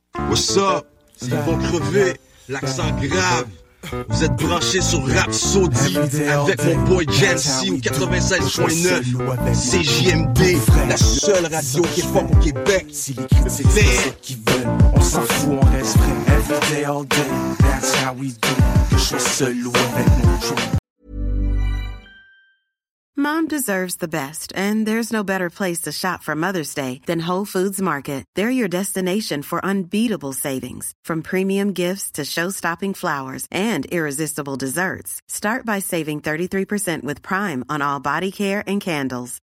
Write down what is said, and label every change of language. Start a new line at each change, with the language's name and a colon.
French: What's up? Ils vont crever, l'accent grave. Vous êtes branchés sur Rapsody avec mon boy Jancy au 96.9 CJMD, la seule radio qui est forte au Québec. Si les critiques c'est ceux qui veulent, on s'en fout, on reste prêt.
English: Every day, all day, that's how we do.
French: Que je sois seul ou avec mon joint.
English: Mom deserves the best, and there's no better place to shop for Mother's Day than Whole Foods Market. They're your destination for unbeatable savings, from premium gifts to show-stopping flowers and irresistible desserts. Start by saving 33% with Prime on all body care and candles.